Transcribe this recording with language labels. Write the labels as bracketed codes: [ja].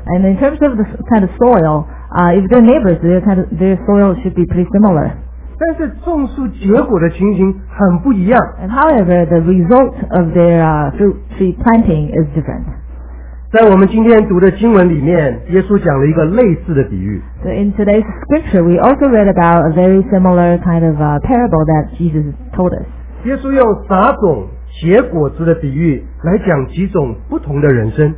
[en] And in terms of the kind of soil, if they're neighbors, their soil should be pretty similar. [zh] 但是种树结果的情形很不一样。 [en] And however, the result of their fruit tree planting is different. [zh] 在我们今天读的经文里面，耶稣讲了一个类似的比喻。 [en] So in today's scripture, we also read about a very similar kind of parable that Jesus told us. [zh] 耶稣用撒种结果子的比喻来讲几种不同的人生。